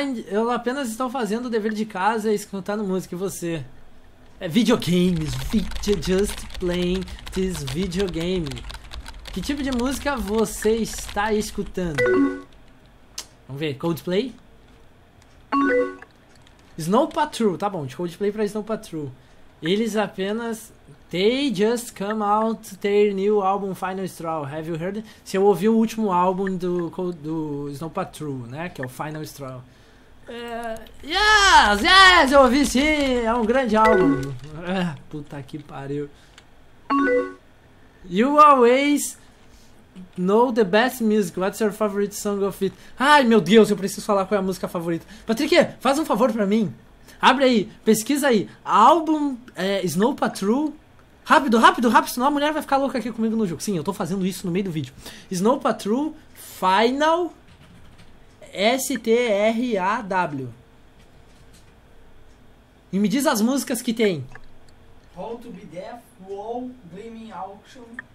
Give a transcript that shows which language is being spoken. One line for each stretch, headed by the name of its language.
Portuguese: Eu apenas estou fazendo o dever de casa e escutando música. E você? Videogames.
English: Just playing this videogame.
Portuguese: Que tipo de música você está escutando? Vamos ver. Coldplay? Snow Patrol, tá bom, de Coldplay pra Snow Patrol. Eles apenas...
English: They just come out their new album Final Straw, have you heard?
Portuguese: Se eu ouvi o último álbum do Snow Patrol, né, que é o Final Straw.
English: Yes, yes,
Portuguese: eu ouvi sim, é um grande álbum. Puta que pariu.
English: You always know the best music, what's your favorite song of it?
Portuguese: Ai meu Deus, eu preciso falar qual é a música favorita. Patrick, faz um favor pra mim. Abre aí, pesquisa aí. Álbum Snow Patrol. Rápido, rápido, rápido, senão a mulher vai ficar louca aqui comigo no jogo. Sim, eu tô fazendo isso no meio do vídeo. Snow Patrol Final Straw. E me diz as músicas que tem.
English: How to be Deaf, Wall, Gleaming Auction.